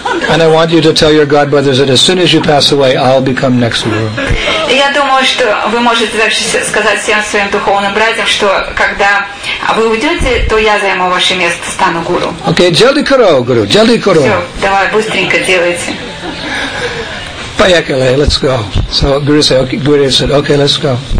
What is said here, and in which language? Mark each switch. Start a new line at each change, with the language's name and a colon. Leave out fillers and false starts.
English: And I want you to tell your god brothers that as soon as you pass away, I'll become next guru.
Russian: Я думаю, что вы можете также сказать всем своим духовным братьям, что когда вы уйдете, то я займу ваше место, стану гуру.
Hindi: Okay, jaldi karo, guru, jaldi karo.
Russian: Все, давай быстренько делайте. Поехали,
English: let's go. So guru said, okay, guru said, okay, let's go.